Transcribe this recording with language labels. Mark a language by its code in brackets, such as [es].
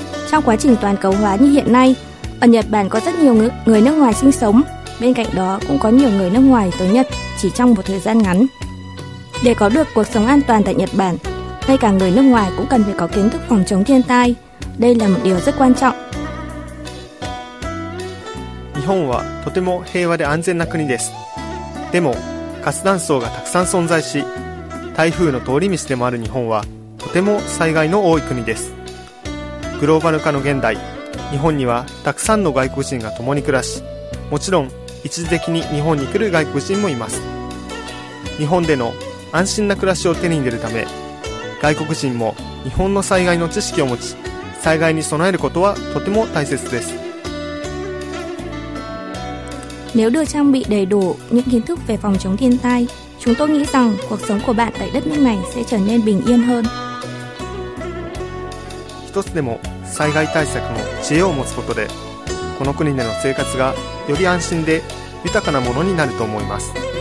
[vi] Trong quá trình toàn cầu hóa như hiện nay, ở Nhật Bản có rất nhiều người nước ngoài sinh sống, bên cạnh đó cũng có nhiều người nước ngoài tới Nhật chỉ trong một thời gian ngắn. Để có được cuộc sống an toàn tại Nhật Bản, ngay cả người nước ngoài cũng cần phải có kiến thức phòng chống thiên tai. Đây là một điều rất quan trọng. [ja] 日本はとても平和で安全な国です。でも、活断層がたくさん存在し、台風の通り道でもある日本はとても災害の多い国です。グローバル化の現代、日本にはたくさんの外国人が共に暮らし、もちろん一時的に日本に来る外国人もいます。日本での安心な暮らしを手に入れるため、外国人も日本の災害の知識を持ち、災害に備えることはとても大切です。 [vi] Nếu được trang bị đầy đủ những kiến thức về phòng chống thiên tai, chúng tôi nghĩ rằng cuộc sống của bạn tại đất nước này sẽ trở nên bình yên hơn. [ja] 一つでも災害対策の知恵を持つことで、この国での生活がより安心で豊かなものになると思います。